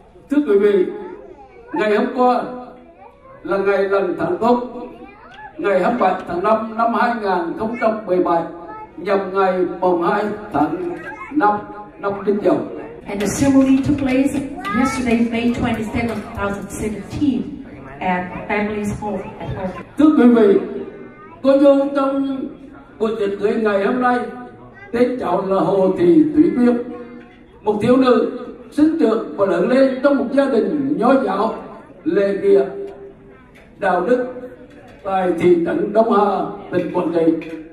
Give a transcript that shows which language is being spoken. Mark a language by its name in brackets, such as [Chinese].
[Vietnamese] Thưa quý vị, ngày hôm qua là ngày lần tháng tốt, ngày 27 tháng 5 năm 2017, nhằm ngày 2 tháng 5 năm Đinh Dậu. [English] And the ceremony took place yesterday, May 27, 2017, at family's home at home. [Vietnamese] Thưa quý vị, cô dâu trong buổi tiệc cưới ngày hôm nay, tên cháu là Hồ Thị Thủy Nguyên, một thiếu nữ sinh trưởng và lớn lên trong một gia đình nho giáo, lễ nghĩa, đạo đức tại thị trấn Đông Hà, tỉnh Quảng Trị.